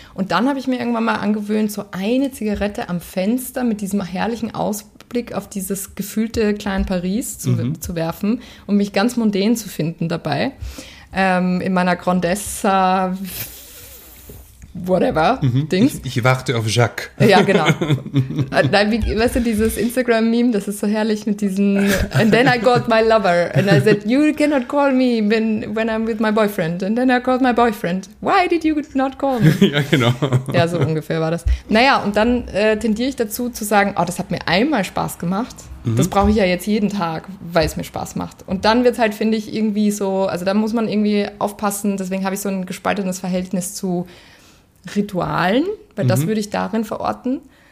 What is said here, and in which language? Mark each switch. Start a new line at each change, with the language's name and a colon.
German: Und dann habe ich mir irgendwann mal angewöhnt, so eine Zigarette am Fenster mit diesem herrlichen Ausblick auf dieses gefühlte kleine Paris zu werfen und mich ganz mundän zu finden dabei, in meiner Grandessa Whatever-Dings. Ich warte auf Jacques. Ja, genau. Nein, weißt du, dieses Instagram-Meme, das ist so herrlich mit diesen
English: And then I got my lover. And I said, you cannot call me when I'm with my boyfriend. And then I called my boyfriend. Why did you not call me?
German: Ja, genau. Ja, so ungefähr war das. Naja, und dann tendiere ich dazu zu sagen, oh, das hat mir einmal Spaß gemacht. Mhm. Das brauche ich ja jetzt jeden Tag, weil es mir Spaß macht. Und dann wird es halt, finde ich, irgendwie so, also da muss man irgendwie aufpassen. Deswegen habe ich so ein gespaltenes Verhältnis zu Ritualen, weil das würde ich darin verorten.